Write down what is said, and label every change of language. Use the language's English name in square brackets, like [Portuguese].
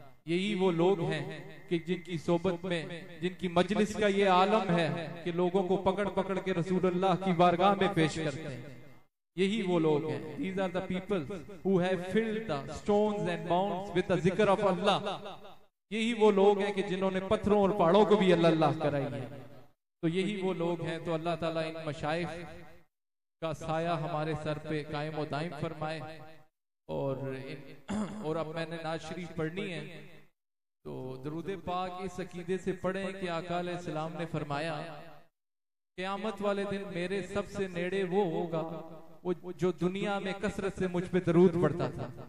[Urdu] یہی وہ لوگ ہیں کہ جن کی صحبت میں جن کی مجلس کا یہ عالم ہے کہ لوگوں کو پکڑ پکڑ کے رسول اللہ کی بارگاہ میں پیش کرتے ہیں. یہی وہ لوگ ہیں. [English] These are the people who have filled the stones and mounds with the ذکر of Allah. [Urdu] یہی وہ لوگ ہیں کہ جنہوں نے پتھروں اور پہاڑوں کو بھی اللہ اللہ کرائی ہے. تو یہی وہ لوگ ہیں. تو اللہ تعالیٰ ان مشائخ کا سایہ ہمارے سر پہ قائم و دائم فرمائے. اور اب میں نے نعت شریف پڑھنی ہے تو درود پاک اس عقیدے سے پڑھیں کہ آقا علیہ السلام نے فرمایا قیامت والے دن میرے سب سے نیڑے وہ ہوگا وہ جو دنیا میں کثرت سے مجھ پہ درود پڑھتا تھا.